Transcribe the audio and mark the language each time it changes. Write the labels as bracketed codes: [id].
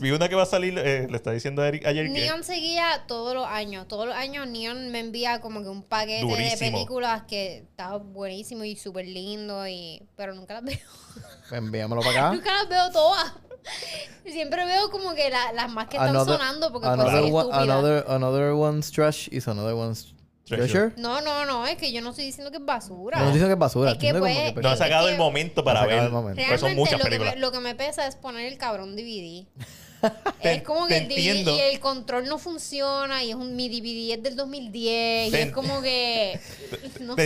[es] Vi una que va a salir, le estaba diciendo a Eric ayer. Neon seguía todos los años. Todos los años Neon me envía como que un paquete durísimo de películas que estaba buenísimo y súper lindo, pero nunca las veo. Enviámoslo para acá. Nunca las veo todas. Siempre veo como que las más que están [en] another, [es] sonando porque [en] another, one, another one's trash is another one's treasure. [es] No, es que yo no estoy diciendo que es basura. No estoy diciendo que es basura. No ha sacado el momento para ver. Realmente son muchas películas. Lo que me pesa es poner el cabrón DVD. Es como que entiendo. Y el control no funciona y mi DVD es del 2010 y es como que no sé,